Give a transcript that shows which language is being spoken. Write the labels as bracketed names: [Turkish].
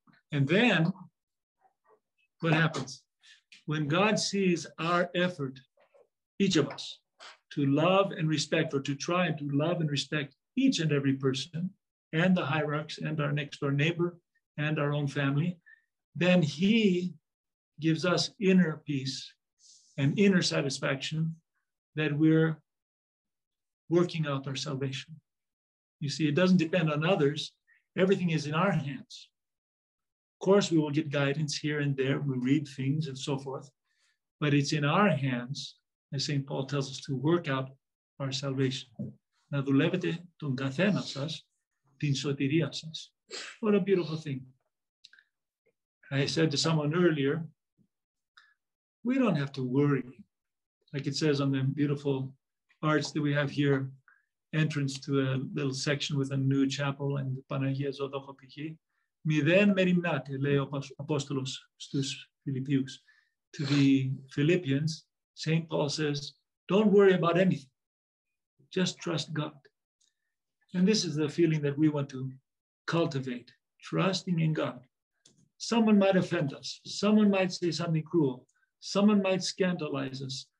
[English] And then what happens? When God sees our effort, each of us, to love and respect, or to try to love and respect each and every person, and the hierarchs, and our next door neighbor, and our own family, then he gives us inner peace and inner satisfaction that we're working out our salvation. You see, it doesn't depend on others. Everything is in our hands. Of course, we will get guidance here and there. We read things and so forth. But it's in our hands, as St. Paul tells us, to work out our salvation. [Greek] Να δουλεύετε τον καθένα σας την σωτηρία σας. [English] What a beautiful thing. I said to someone earlier, we don't have to worry. Like it says on the beautiful arch that we have here, entrance to a little section with a new chapel and Παναγία Ζωδόχοπηχή. [Greek] Μηδέν μεριμνάτε, λέει ο Απόστολος στους Φιλιππίους. [English] To the Philippians, St. Paul says, don't worry about anything. Just trust God. And this is the feeling that we want to cultivate, trusting in God. Someone might offend us. Someone might say something cruel. Someone might scandalize us.